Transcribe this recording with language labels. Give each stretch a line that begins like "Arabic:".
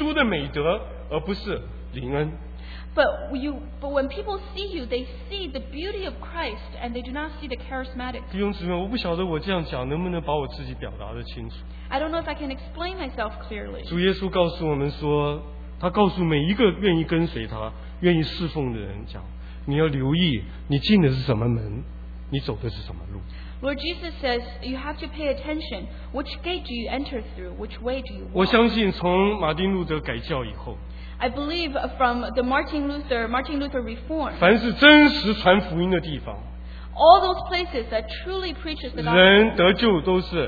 Chinese: 但是给人看见的那个形象是基督的美德，而不是灵恩。
English: But when people see you, they see the beauty of Christ, and they do not see the charismatic.
Chinese: 弟兄姊妹，我不晓得我这样讲能不能把我自己表达的清楚。
English: I don't know if I can explain myself clearly.
Chinese: 主耶稣告诉我们说，他告诉每一个愿意跟随他、愿意侍奉的人讲，你要留意你进的是什么门，你走的是什么路。
English: Lord Jesus says, you have to pay attention. Which gate do you enter through? Which way do you walk?
Chinese: 我相信从马丁路德改教以后。
English: I believe from the Martin Luther Reform.
Chinese: 凡是真实传福音的地方,
English: all those places that truly preaches the gospel.